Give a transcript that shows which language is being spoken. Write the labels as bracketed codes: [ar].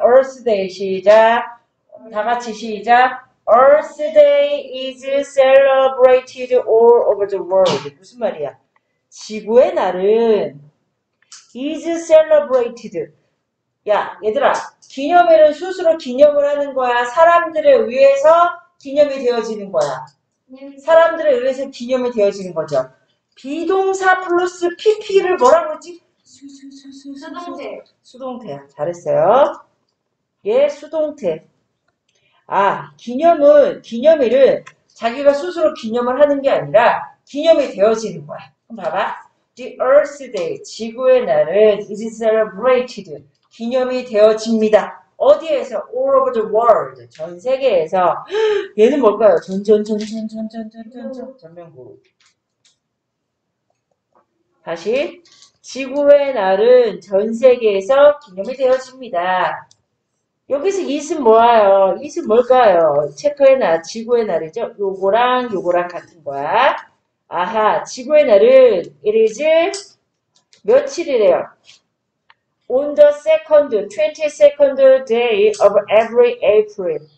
[ko] Earth Day 시작. 다 같이 시작. [en] Earth Day is celebrated all over the world. [ko] 무슨 말이야? 지구의 날은 [en] is celebrated. [ko] 야, 얘들아. 기념일은 스스로 기념을 하는 거야. 사람들에 의해서 기념이 되어지는 거야. 사람들에 의해서 기념이 되어지는 거죠. 비동사 플러스 PP를 뭐라고 그러지? 수동태. 수동태야. 잘했어요. 예, 수동태. 아, 기념은, 기념일은 자기가 스스로 기념을 하는 게 아니라 기념이 되어지는 거야. 그럼 봐봐. [en] The Earth Day, [ko] 지구의 날은 [en] is celebrated. [ko] 기념이 되어집니다. 어디에서? [en] All over the world. [ko] 전 세계에서. 얘는 뭘까요? 전전전전전전전전전 전면국. 다시. 지구의 날은 전 세계에서 기념이 되어집니다. 여기서 is은 뭐예요? is은 뭘까요? 체크의 날, 지구의 날이죠? 요거랑 요거랑 같은 거야. 아하, 지구의 날은 [en] it is [ko] 며칠이래요. [en] On the second, 22nd day of every April.